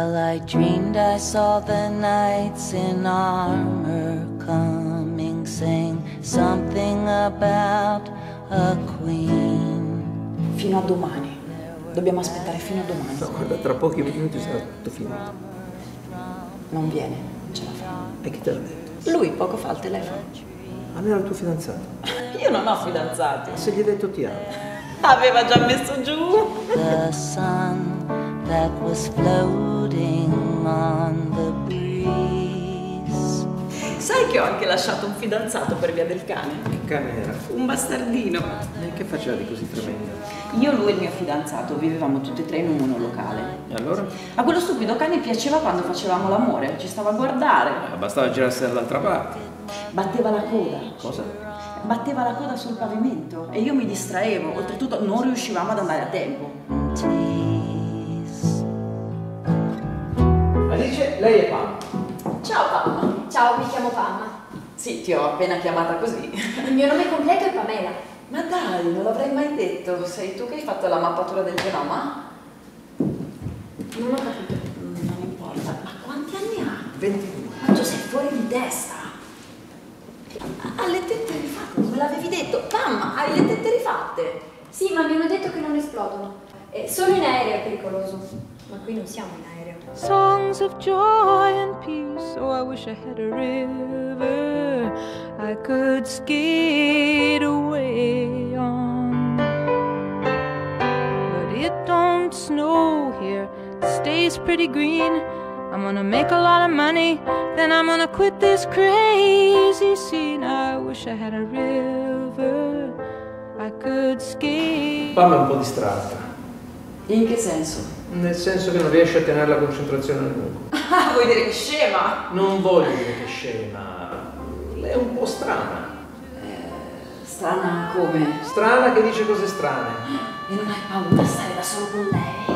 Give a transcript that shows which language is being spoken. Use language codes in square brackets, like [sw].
[en] I dreamed I saw the knights in armor coming, saying something about a queen. [it] Fino a domani. Dobbiamo aspettare fino a domani. No, guarda, tra pochi minuti sarà tutto finito. Non viene, non ce la fa. E chi te l'ha detto? Lui, poco fa al telefono. A me era il tuo fidanzato. Io non ho fidanzato. Se gli hai detto ti amo. Aveva già messo giù. [en] The sun that was floating on the breeze. [it] Sai che ho anche lasciato un fidanzato per via del cane? Che cane era? Un bastardino. E che faceva di così tremendo? Io, lui e il mio fidanzato vivevamo tutti e tre in un monolocale. E allora? A quello stupido cane piaceva quando facevamo l'amore, ci stava a guardare. Bastava girarsi dall'altra parte. Batteva la coda. Cosa? Batteva la coda sul pavimento e io mi distraevo, oltretutto non riuscivamo ad andare a tempo. Alice, lei è Pam. Ciao Pam. Ciao, mi chiamo Pam. Sì, ti ho appena chiamata così. Il mio nome completo è Pamela. Ma dai, non l'avrei mai detto, sei tu che hai fatto la mappatura del genoma? Non ho capito. Non importa, ma quanti anni ha? 22. Ma tu sei fuori di testa. Alle tette rifatte, me l'avevi detto. Pam, hai le tette rifatte. Sì, ma mi hanno detto che non esplodono. Solo in aereo è pericoloso. Ma qui non siamo in aereo. [en] Songs of joy and peace. Oh, I wish I had a river I could skate away on. But it don't snow here. It stays pretty green. I'm gonna make a lot of money, then I'm gonna quit this crazy scene. I wish I had a river I could skate. [it] Pam è un po' distratta. In che senso? Nel senso che non riesce a tenere la concentrazione a lungo. Ah, vuoi dire che è scema? Non voglio dire che è scema. Lei è un po' strana. Strana come? Strana che dice cose strane. E non hai paura di stare da solo con lei?